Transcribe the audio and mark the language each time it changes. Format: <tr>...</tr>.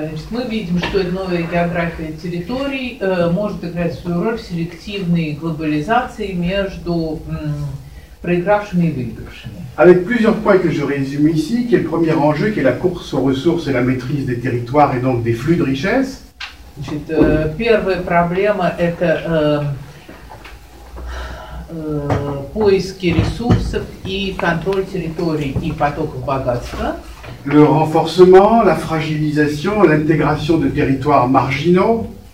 <ru>Мы видим, что новая география территорий может играть свою роль в селективной глобализации между проигравшими и выигравшими.</ru> <fr>Avec plusieurs points que je résume ici, qui est le premier enjeu, qui est la course aux ressources et la maîtrise des territoires et donc des flux de richesses.</fr> <ru>Значит, первая проблема – это поиски ресурсов и контроль территорий и потоков богатства.</ru> <fr>Le renforcement, la fragilisation, l'intégration de territoires marginaux.</fr>